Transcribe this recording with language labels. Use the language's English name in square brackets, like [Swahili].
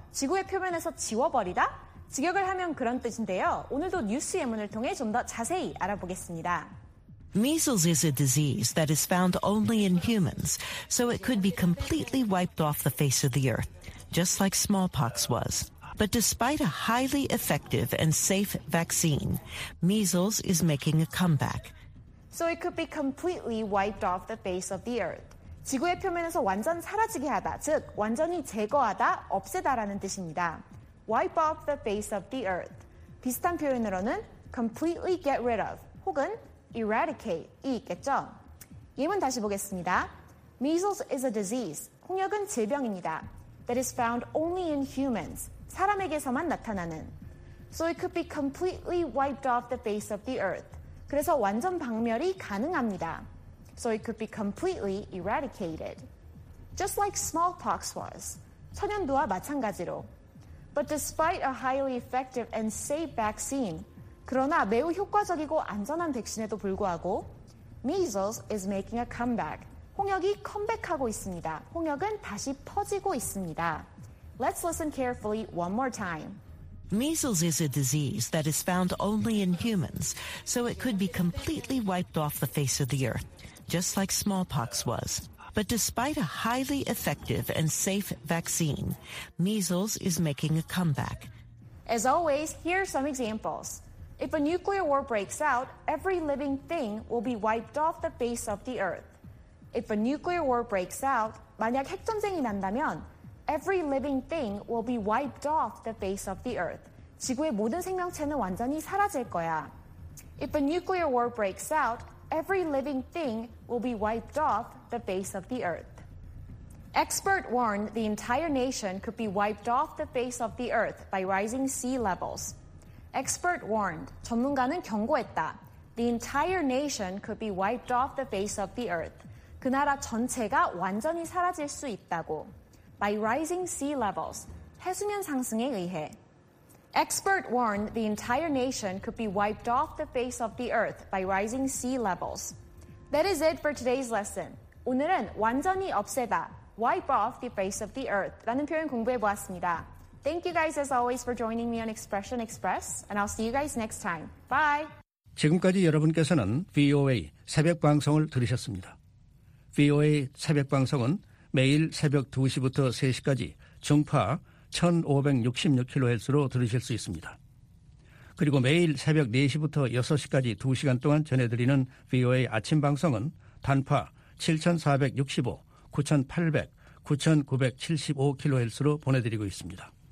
[Korean] 지구의 표면에서 지워버리다? 직역을 하면 그런 뜻인데요. 오늘도 뉴스 예문을 통해 좀 더 자세히 알아보겠습니다. [English] Measles is a disease that is found only in humans, so it could be completely wiped off the face of the earth, just like smallpox was. But despite a highly effective and safe vaccine, measles is making a comeback. So it could be completely wiped off the face of the earth. [Korean] 지구의 표면에서 완전 사라지게 하다, 즉 완전히 제거하다, 없애다라는 뜻입니다. [English] Wipe off the face of the earth. [Korean] 비슷한 표현으로는 [English] completely get rid of [Korean] 혹은 [English] eradicate이 있겠죠. [Korean] 예문 다시 보겠습니다. [English] Measles is a disease. [Korean] 홍역은 질병입니다. [English] That is found only in humans. [Korean] 사람에게서만 나타나는. [English] So it could be completely wiped off the face of the earth. [Korean] 그래서 완전 박멸이 가능합니다. [English] So it could be completely eradicated. Just like smallpox was. [Korean] 천연두와 마찬가지로. [English] But despite a highly effective and safe vaccine, [Korean] 그러나 매우 효과적이고 안전한 백신에도 불구하고, [English] measles is making a comeback. [Korean] 홍역이 컴백하고 있습니다. 홍역은 다시 퍼지고 있습니다. [English] Let's listen carefully one more time. Measles is a disease that is found only in humans, so it could be completely wiped off the face of the earth, just like smallpox was. But despite a highly effective and safe vaccine, measles is making a comeback. As always, here are some examples. If a nuclear war breaks out, every living thing will be wiped off the face of the earth. If a nuclear war breaks out, [Korean] 만약 핵전쟁이 난다면, [English] every living thing will be wiped off the face of the earth. [Korean] 지구의 모든 생명체는 완전히 사라질 거야. [English] If a nuclear war breaks out, every living thing will be wiped off the face of the earth. Expert warned the entire nation could be wiped off the face of the earth by rising sea levels. Expert warned, [Korean] 전문가는 경고했다. [English] The entire nation could be wiped off the face of the earth. [Korean] 그 나라 전체가 완전히 사라질 수 있다고. [English] By rising sea levels, [Korean] 해수면 상승에 의해. [English] Expert warned the entire nation could be wiped off the face of the earth by rising sea levels. That is it for today's lesson. [Korean] 오늘은 완전히 없애다, [English] wipe off the face of the earth [Korean] 라는 표현 공부해 보았습니다. [English] Thank you guys as always for joining me on Expression Express and I'll see you guys next time. Bye! [Korean] 지금까지 여러분께서는 VOA 새벽 방송을 들으셨습니다. VOA 새벽 방송은 매일 새벽 2시부터 3시까지 중파 1566kHz로 들으실 수 있습니다. 그리고 매일 새벽 4시부터 6시까지 2시간 동안 전해드리는 VOA 아침 방송은 단파 7465, 9800, 9975kHz로 보내드리고 있습니다.